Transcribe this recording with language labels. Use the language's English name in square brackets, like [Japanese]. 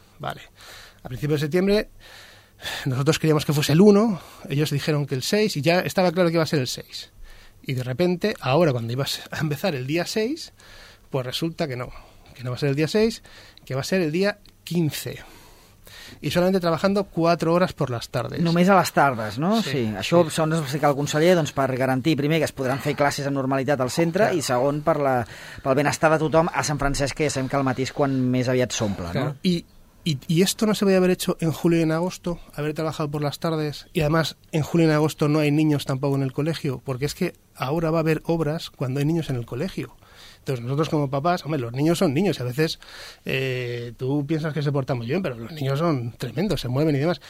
[Spanish] Vale, a principios de septiembre nosotros queríamos que fuese el 1, ellos dijeron que el 6, y ya estaba claro que iba a ser el 6, y de repente, ahora cuando ibas a empezar el día 6, pues resulta que no va a ser el día 6, que va a ser el día 15. Y solamente trabajando [Catalan] 4 hores per les tardes. Només a les tardes, no? Sí. Això, segons explicar el conseller, doncs per garantir, primer, que es podran fer classes amb normalitat al centre, i segon, pel benestar de tothom a Sant Francesc, que ja sabem que al matí és quan més aviat s'omple, no? I [Spanish] ¿Y esto no se podía haber hecho en julio y en agosto? ¿Haber trabajado por las tardes? Y además, en julio y en agosto no hay niños tampoco en el colegio, porque es que ahora va a haber obras cuando hay niños en el colegio. Entonces nosotros como papás, hombre, los niños son niños y a veces tú piensas que se portan muy bien, pero los niños son tremendos, se mueven y demás.